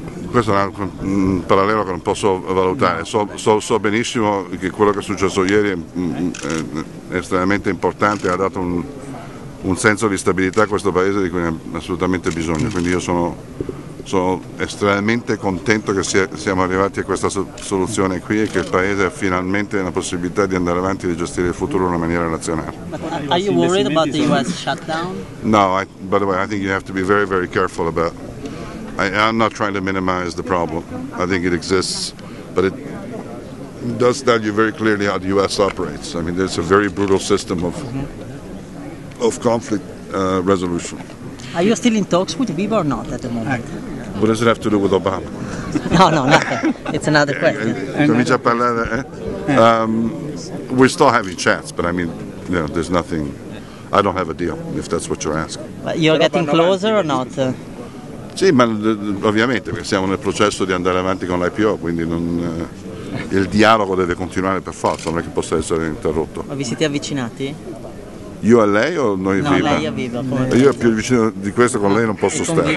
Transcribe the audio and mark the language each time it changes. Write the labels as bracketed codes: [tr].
[it] Questo è un parallelo che non posso valutare, so benissimo che quello che è successo ieri è estremamente importante, ha dato un senso di stabilità a questo paese di cui ha assolutamente bisogno, quindi io sono estremamente contento che siamo arrivati a questa soluzione qui e che il paese ha finalmente la possibilità di andare avanti e di gestire il futuro in una maniera nazionale. [en] Are you worried about the US shutdown? No, by the way, I think you have to be very, very careful about. I'm not trying to minimize the problem. I think it exists, but it does tell you very clearly how the US operates. I mean, there's a very brutal system of conflict resolution. Are you still in talks with Viva or not at the moment? What does it have to do with Obama? No. It's another question. [it] Comincia a parlare, eh? [en] We're still having chats, but I mean, you know, there's nothing. I don't have a deal, if that's what you're asking. But you're getting closer or not? [it] Sì, ma ovviamente, perché siamo nel processo di andare avanti con l'IPO, quindi il dialogo deve continuare per forza, non è che possa essere interrotto. Ma vi siete avvicinati? Io a lei o noi Viva? No, lei a Viva. Io più vicino di questo con lei non posso stare.